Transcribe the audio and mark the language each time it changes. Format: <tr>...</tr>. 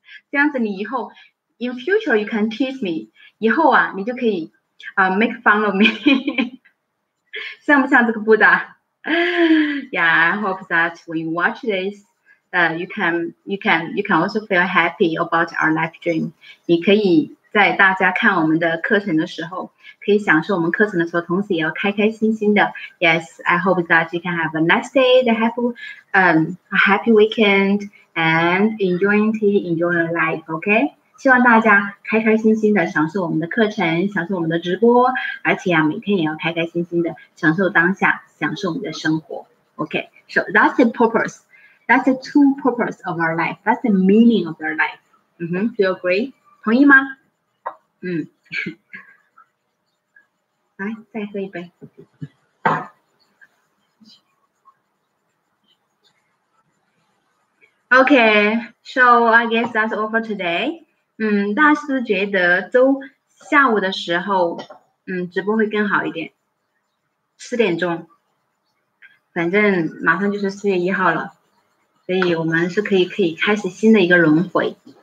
<zh>这样子，你以后</zh> <en>in future you can tease me，</en> <zh>以后啊，你就可以</zh> <en>make fun of me，</en> <zh>像不像这个布达</zh> <en>？Yeah, I hope that when you watch this, you can also feel happy about our live stream。</en> <zh>你可以在大家看我们的课程的时候，可以享受我们课程的时候，同时也要开开心心的。</zh> <en>Yes, I hope that you can have a nice day, a happy weekend, and enjoying tea, enjoy your life, okay?</en> <zh>希望大家开开心心的享受我们的课程，享受我们的直播，而且啊，每天也要开开心心的享受当下，享受我们的生活。</zh> <en>Okay, so that's the purpose. That's the true purpose of our life. That's the meaning of our life. Do you agree?</en> <zh>同意吗？来，再喝一杯。</zh> <en>Okay, so I guess that's all for today.</en> <zh>大师觉得周下午的时候，直播会更好一点。 4点钟，反正马上就是4月1号了，所以我们是可以开始新的一个轮回。</zh>